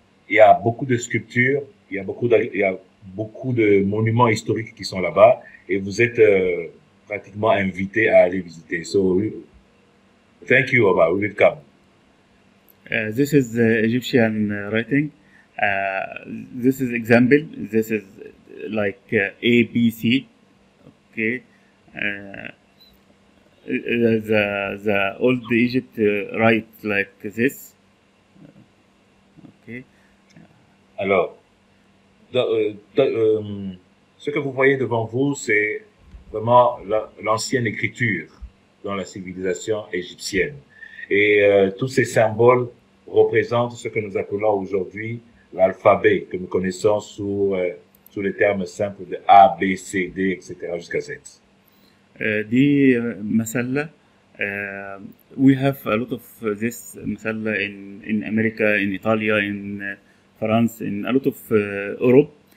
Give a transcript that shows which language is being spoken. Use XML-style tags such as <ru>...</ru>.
<fr>Il y a beaucoup de sculptures, il y a beaucoup de monuments historiques qui sont là-bas et vous êtes pratiquement invité à aller visiter.</fr> <en>So, thank you, Oba. Welcome. This is the Egyptian writing. This is example. This is like A, B, C. Okay. The old Egypt write like this. Okay.</en> <fr>Alors, ce que vous voyez devant vous, c'est vraiment l'ancienne écriture dans la civilisation égyptienne. Et tous ces symboles représentent ce que nous appelons aujourd'hui l'alphabet que nous connaissons sous les termes simples de A, B, C, D, etc. jusqu'à Z.</fr> <ar>دي مسألة.</ar> <en>We have a lot of this مسألة in America, in Italia, in France, in a lot of Europe.</en>